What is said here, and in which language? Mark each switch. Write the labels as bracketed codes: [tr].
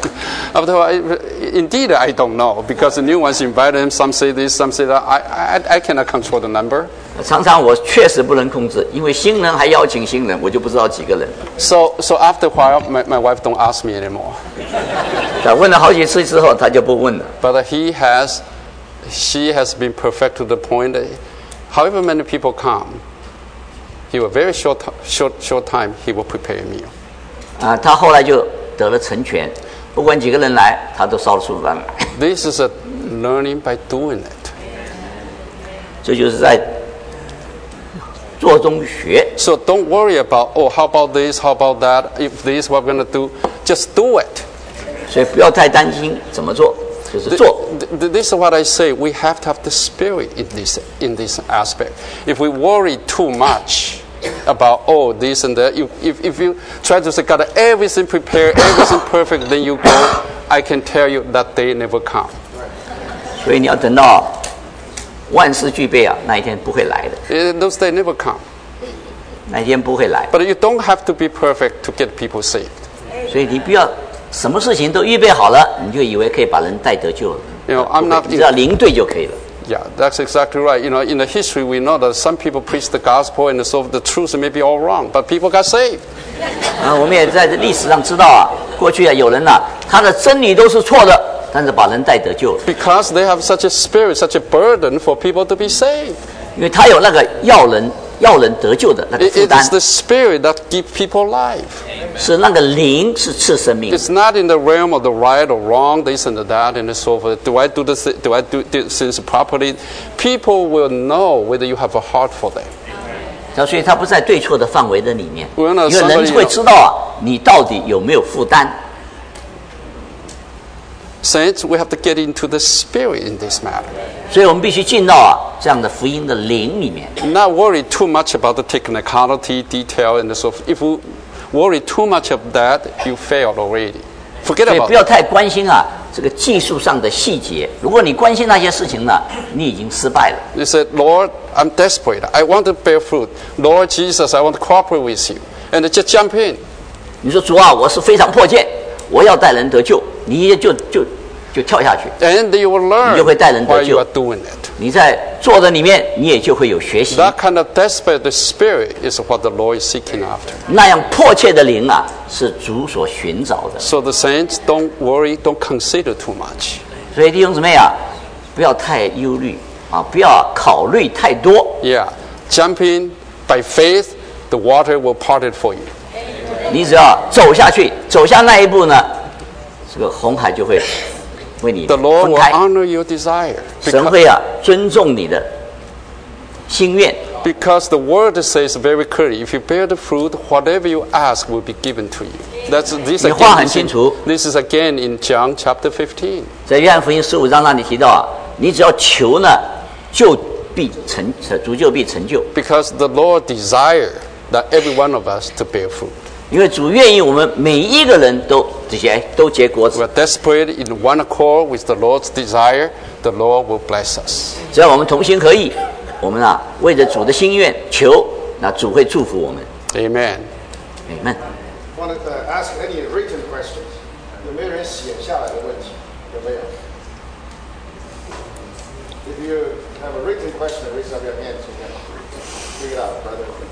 [en] After all, indeed, I don't know because the new ones invited him. Some say this, some say that. I cannot control the number. [zh] 常常我确实不能控制，因为新人还邀请新人，我就不知道几个人。 [en] So after a while, my wife don't ask me anymore. [zh] 问了好几次之后，他就不问了。 [en] But she has been perfect to the point that however many people come, he will very short time he will prepare a meal. [zh] 他后来就得了成全。不管几个人来，他都烧了厨房。 [en] This is a learning by doing it. [zh] 这就是在做中学。 [en] So don't worry about, oh, how about this, how about that? If this, what we're going to do? Just do it. [zh] 所以不要太担心怎么做，就是做。 [en] This is what I say. We have to have the spirit in this aspect. If we worry too much,about oh this and that if you try to say got everything prepared everything perfect then you go I can tell you that day never come [zh] 所以你要等到万事俱备啊那一天不会来的 [en] those days never come [zh] 那一天不会来 [en] but you don't have to be perfect to get people saved [zh] 所以你不要什么事情都预备好了你就以为可以把人带得救了 [en] you know, I'm not [zh] 只要灵对就可以了 [en] Yeah, that's exactly right. You know, in the history, we know that some people preach the gospel and so the truth may be all wrong, but people got saved. [zh] 我们也在历史上知道啊，过去啊，有人呐，他的真理都是错的，但是把人带得救。 [en] Because they have such a spirit, such a burden for people to be saved. [zh] 因为他有那个要人得救的那个负担。 [en] It is the spirit that gives people life. [zh] 是那个灵是赐生命。 [en] It's not in the realm of the right or wrong, this and that, and so forth. Do I do things properly? People will know whether you have a heart for them. [zh] 所以他不在对错的范围的里面。 [en] Well, no, [zh] 因为人会知道啊，你到底有没有负担。 [en] Saints, we have to get into the spirit in this matter. [zh] 所以我们必须进到啊这样的福音的灵里面。 [en] Not worry too much about the technicality, detail, and so forth. If worry too much of that, you failed already. Forget about. [zh] 所以不要太关心啊，这个技术上的细节。如果你关心那些事情呢，你已经失败了。 [en] He said, "Lord, I'm desperate. I want to bear fruit. Lord Jesus, I want to cooperate with you." And just jump in. [zh] 你说主啊，我是非常迫切，我要带人得救。你就跳下去。 [en] And you will learn. [zh] 你就会带人得救。 [en] While you are doing it. [zh] 你在做的里面，你也就会有学习。 [en] That kind of desperate spirit is what the Lord is seeking after. [zh] 那样迫切的灵啊，是主所寻找的。 [en] So the saints, don't worry, don't consider too much. [zh] 所以弟兄姊妹啊，不要太忧虑啊，不要考虑太多。 [en] Yeah, jump in by faith, the water will part it for you. [zh] 你只要走下去，走下那一步呢，这个红海就会。 [en] The Lord will honor your desire. [zh] 神会啊尊重你的心愿。 [en] Because the word says very clearly, if you bear the fruit, whatever you ask will be given to you. That's this again. [zh] 你话很清楚。 [en] This is again in John chapter 15. [zh] 在约翰福音十五章那里提到啊，你只要求呢，就必成，主就必成就。 [en] Because the Lord desires that every one of us to bear fruit. [zh] 因为主愿意我们每一个人都结果子。 [en] We are desperate in one accord with the Lord's desire. The Lord will bless us. [zh] 只要我们同心合意，我们啊为着主的心愿求，那主会祝福我们。 [en] Amen. Amen. Wanted to ask any written questions? [zh] 有没有人写下来的问题？有没有 [en] ？If you have a written question, raise up your hand so we can figure it out, brother.